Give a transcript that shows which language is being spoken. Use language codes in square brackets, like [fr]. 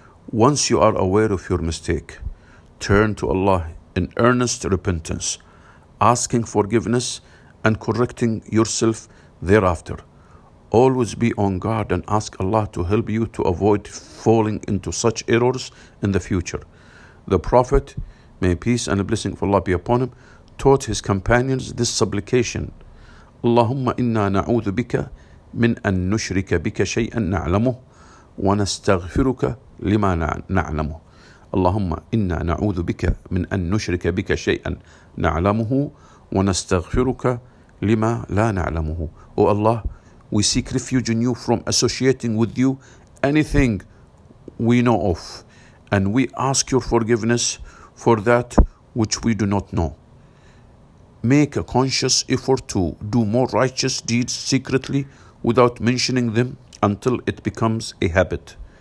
[en] Once you are aware of your mistake, turn to Allah in earnest repentance, asking forgiveness and correcting yourself thereafter. Always be on guard and ask Allah to help you to avoid falling into such errors in the future. The Prophet, may peace and the blessing of Allah be upon him, taught his companions this supplication: [ar] Allahumma inna na'udhu bika من أن نشرك بك شيئا نعلمه ونستغفرك لما نعلمه اللهم إنا نعوذ بك من أن نشرك بك شيئا نعلمه ونستغفرك لما لا نعلمه. [en] O Allah, we seek refuge in you from associating with you anything we know of, and we ask your forgiveness for that which we do not know. Make a conscious effort to do more righteous deeds secretly without mentioning them until it becomes a habit.